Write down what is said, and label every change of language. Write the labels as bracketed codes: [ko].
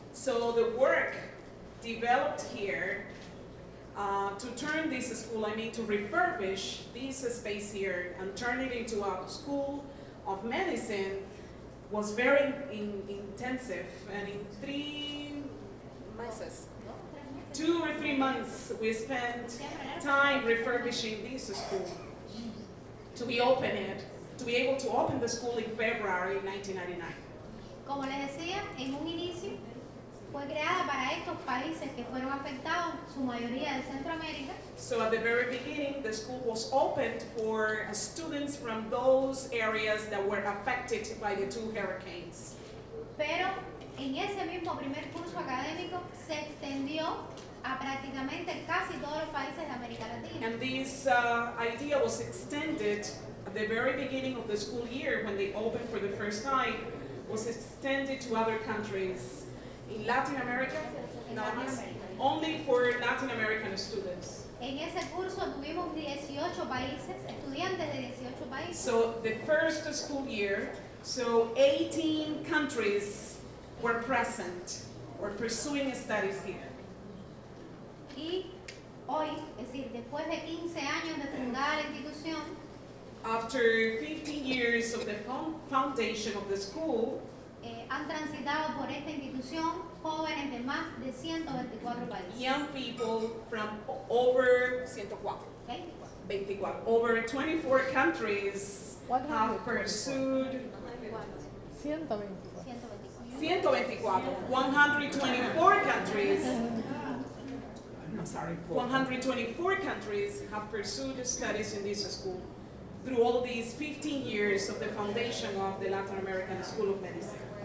[en] So the work developed here to turn this school, to refurbish this space here and turn it into a school of medicine was very intensive. And in 3 months, 2 or 3 months, we spent time refurbishing this school to be open it, to be able to open the school in February 1999. [es] Como les decía, en un inicio fue creada para estos países que fueron afectados, su mayoría de Centroamérica. [en] So at the very beginning, the school was opened for students from those areas that were affected by the two hurricanes. [es] Pero en ese mismo primer curso académico se extendió a prácticamente casi todos los países de América Latina. [en] And this idea was extended at the very beginning of the school year when they opened for the first time, was extended to other countries. In Latin America, only for Latin American students. [es] En ese curso tuvimos 18 países, estudiantes de 18 países. [en] So the first school year, so 18 countries were present, were pursuing studies here. [es] Y hoy, es decir, después de 15 años de fundar la institución, [en] after 15 years of the foundation of the school, [es] han transitado por esta institución jóvenes de más de 124 países. [en] Young people from over 24 countries have pursued 124 countries. I'm sorry, 124 countries have pursued studies in this school through all these 15 years of the foundation of the Latin American School of Medicine.